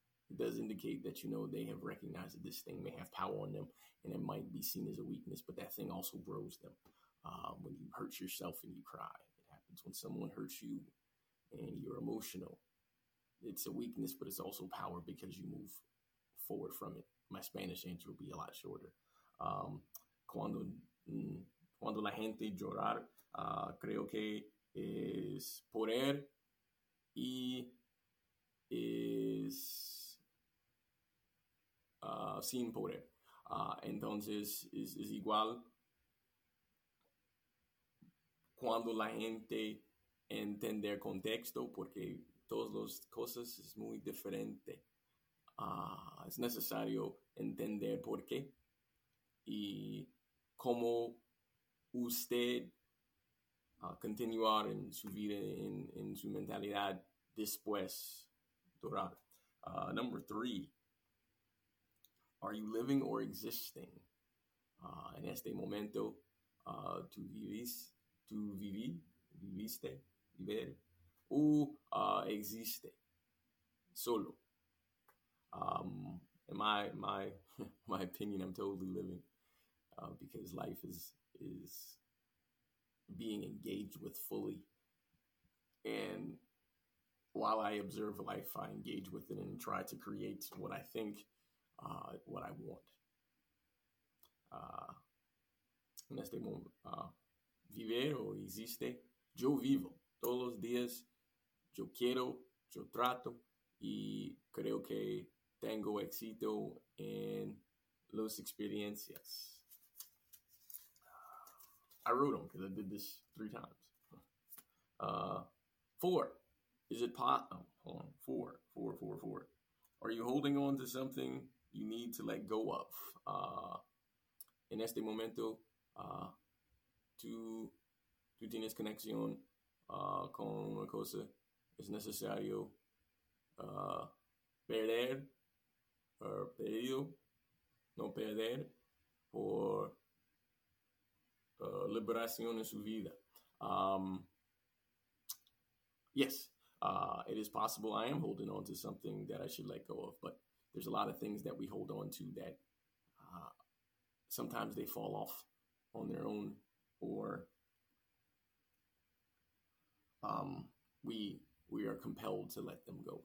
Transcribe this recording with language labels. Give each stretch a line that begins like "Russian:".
English: It does indicate that, you know, they have recognized that this thing may have power on them and it might be seen as a weakness, but that thing also grows them. When you hurt yourself and you cry, it happens when someone hurts you and you're emotional. It's a weakness, but it's also power because you move forward from it. My Spanish answer will be a lot shorter.
Spanish: Cuando la gente llorar, creo que es poder y es sin poder. Entonces es igual cuando la gente entiende el contexto, porque todas las cosas es muy diferente. Es necesario entender por qué y cómo usted continuar en su vida, en su mentalidad después durar.
English: Number 3. Are you living or existing?
Spanish: En este momento, tú viviste, o existe solo.
English: In my opinion, I'm totally living because life is being engaged with fully. And while I observe life, I engage with it and try to create what I think, what I want.
Spanish: En este momento, ¿vivir o existe? Yo vivo todos los días. Yo quiero, yo trato, y creo que tengo éxito en las experiencias.
English: I wrote them because I did this 3 times. 4. Is it pot? Oh, hold on. 4. Are you holding on to something you need to let go of?
Spanish: En este momento, tú tienes conexión con una cosa. Es necesario perder o pedido, no perder, por liberación en su vida.
English: It is possible I am holding on to something that I should let go of, but there's a lot of things that we hold on to that sometimes they fall off on their own, or we are compelled to let them go.